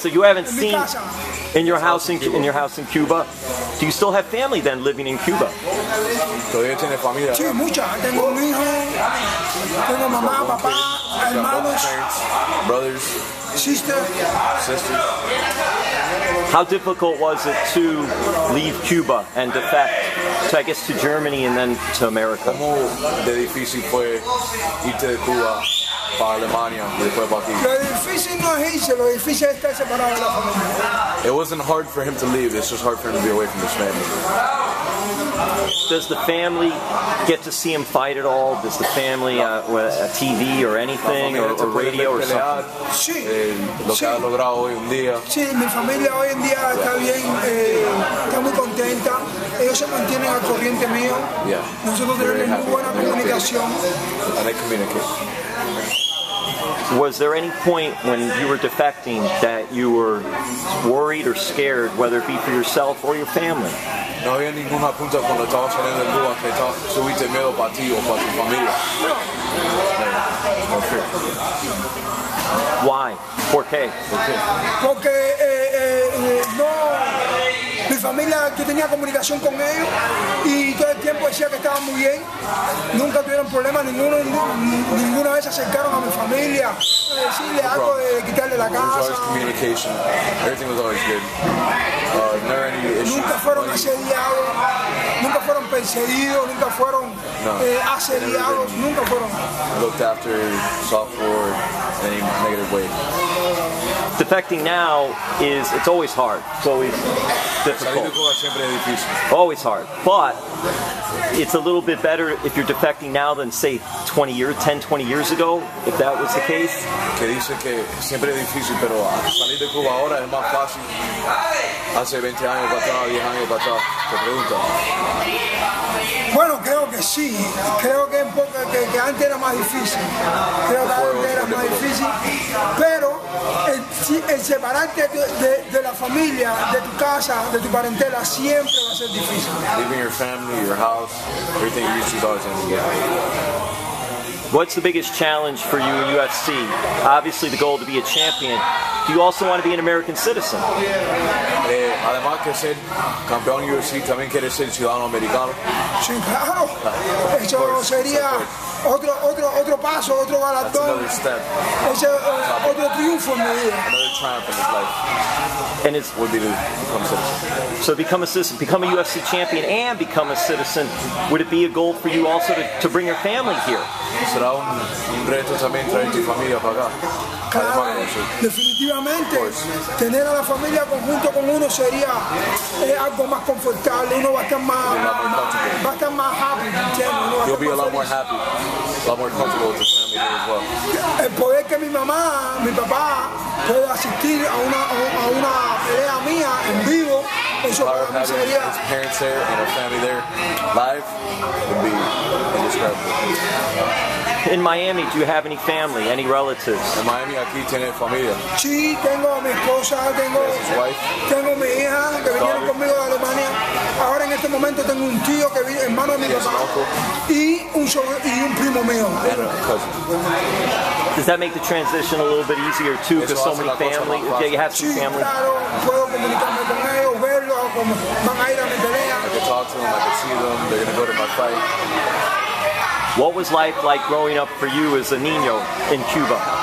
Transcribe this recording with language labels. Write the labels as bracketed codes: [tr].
[en] So you haven't seen in your house in Cuba. Do you still have family then living in Cuba? [es] Todavía tiene familia. Sí, mucha. Tengo un hijo. Tengo mamá, papá, hermanos, [en] brothers, sisters. How difficult was it to leave Cuba and defect to, I guess, to Germany and then to America? [es] ¿Cómo de difícil fue irte de Cuba para Alemania y después para aquí? Lo difícil no es irse, lo difícil es estar separado de la familia. [en] It wasn't hard for him to leave, it's just hard for him to be away from his family. Does the family get to see him fight at all? Does the family, a TV or anything, or radio or something? [es] Sí. Lo que ha logrado hoy en día. Sí, mi familia hoy en día está bien, está muy contenta. Ellos se mantienen al corriente mío. [en] Yeah. [es] Nosotros tenemos muy buena comunicación. [en] And they communicate. Was there any point when you were defecting that you were worried or scared, whether it be for yourself or your family? [es] No había ninguna punta cuando estaba saliendo de Cuba que tuviste miedo para ti o para tu familia. No. [en] Okay. Why? [es] ¿Por qué? [en] Okay. [es] Porque no, mi, familia, yo tenía comunicación con ellos y todo el tiempo decía que estaban muy bien. Nunca tuvieron problemas, ninguna vez se acercaron a mi familia. Decirle algo de quitarle la casa. [en] Always communication. Everything was always good. Never any issues. [es] Nunca fueron asediados, nunca fueron perseguidos, nunca fueron asediados, nunca fueron. [en] Looked after, sought for in any negative way. Defecting now is, it's always hard. It's always difficult. Always hard. But it's a little bit better if you're defecting now than, say, 20 years, 10, 20 years ago, if that was the case. [es] Que dice que siempre es difícil, pero salir de Cuba ahora es más fácil. Hace 20 años para atrás, 10 años para atrás. Te pregunto. Bueno, creo que sí. Creo que, un poco, que antes era más difícil. Creo que antes era más difícil. Pero el separarte de la familia, de tu casa, de tu parentela, siempre va a ser difícil. [en] Leaving your family, your house, everything you used to do is always going to be difficult. What's the biggest challenge for you in UFC? Obviously, the goal to be a champion. Do you also want to be an American citizen? [es] Además que ser campeón UFC, también quieres ser ciudadano americano. Sí, claro. Eso sería otro paso, otro galardón. [en] Another step. [es] Ese otro triunfo en mi vida. [en] Another triumph in his life. And it's, would be to become a citizen. So become a citizen, become a UFC champion and become a citizen. Would it be a goal for you also to bring your family here? [es] Será un reto también traer tu familia para acá. Claro, definitivamente. Tener a la familia conjunto con uno sería algo más confortable. Uno va a estar más, va a estar más happy. [en] You'll be a lot more happy, a lot more comfortable with your family here as well. [es] El poder que mi mamá, mi papá, puede asistir a una pelea mía en vivo, eso para mí sería. [en] His parents there and our family there live would be indescribable. In Miami, do you have any family, any relatives? In Miami, [es] aquí tiene familia. Sí, tengo a mi esposa, tengo. [en] He has his wife. [es] Tengo mi hija que vinieron conmigo de Alemania. Ahora en este momento tengo un tío que vive, hermano de mi papá. Y un primo mío. [en] And a cousin. Does that make the transition a little bit easier too? Because so many family, yeah, you have some family. [es] Sí, claro, puedo comunicarme con ellos, verlos, como van a ir a mi pelea. [en] I can talk to them, I can see them, they're going to go to my fight. What was life like growing up for you as a niño in Cuba?